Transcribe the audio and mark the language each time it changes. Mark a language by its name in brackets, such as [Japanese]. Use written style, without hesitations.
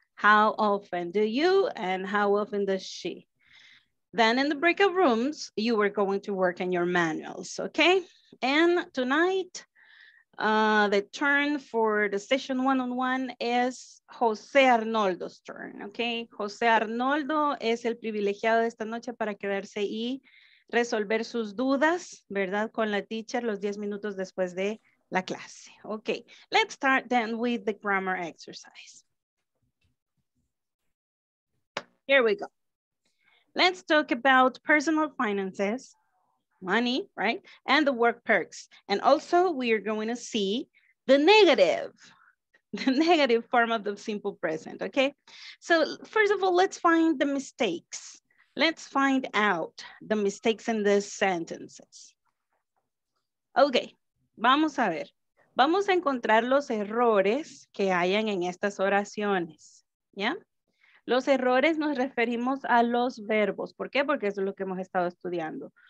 [English] How often do you and how often does she? Then in the breakout rooms, you are going to work on your manuals, okay? And tonight, the turn for the session one-on-one is Jose Arnoldo's turn, okay? [Spanish] Jose Arnoldo es el privilegiado de esta noche para quedarse y resolver sus dudas, ¿verdad? Con la teacher los 10 minutos después de la clase. [English] Okay, let's start then with the grammar exercise. Here we go. Let's talk about personal finances, money, right? And the work perks. And also we are going to see the negative form of the simple present, okay? So first of all, let's find the mistakes. Let's find out the mistakes in the sentences. [Spanish] Okay, vamos a ver. Vamos a encontrar los errores que hayan en estas oraciones, ¿ya? Los errores nos referimos a los verbos. ¿Por qué? Porque eso es lo que hemos estado estudiando.